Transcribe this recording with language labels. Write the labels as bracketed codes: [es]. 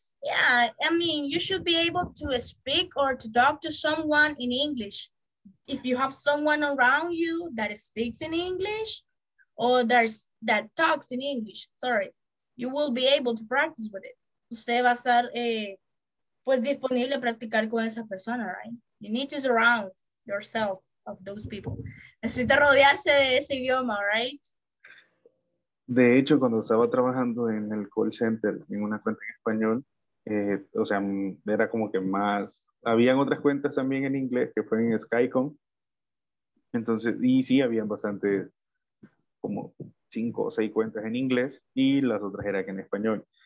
[en] Yeah, I mean, you should be able to speak or to talk to someone in English. If you have someone around you that speaks in English or that talks in English, sorry, you will be able to practice with it. [es] Usted va a estar pues disponible a practicar con esa persona, [en] right? You need to surround yourself of those people. [es] Necesita rodearse de ese idioma, [en] right? [es] De hecho, cuando estaba trabajando en el call center, en una cuenta en español, o sea, era como que más... Habían otras cuentas también en inglés que fueron en Skycom. Entonces, y sí, habían bastante, como 5 o 6 cuentas en inglés y las otras eran en español.